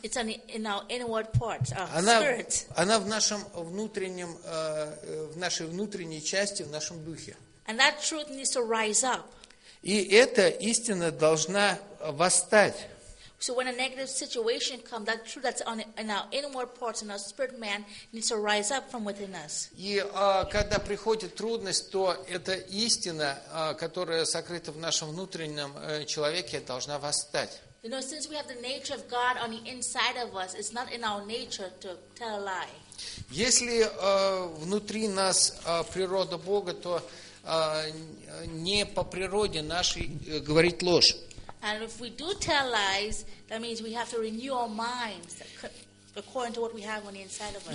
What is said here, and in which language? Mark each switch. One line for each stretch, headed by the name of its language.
English: It's in our inward part, spirit.
Russian: Она в нашем внутреннем, в нашей внутренней части, в нашем духе.
English: And that truth needs to rise up.
Russian: И эта истина должна восстать.
English: So when a negative situation comes, that truth that's in our inward part, in our spirit man, needs to rise up from within us.
Russian: И когда приходит трудность, то эта истина, которая сокрыта в нашем внутреннем человеке, должна восстать.
English: You know, since we have the nature of God on the inside of us, it's not in our nature to tell a lie.
Russian: Если внутри нас природа Бога, то не по природе нашей говорить ложь.
English: And if we do tell lies, that means we have to renew our minds according to what we have on the inside of us.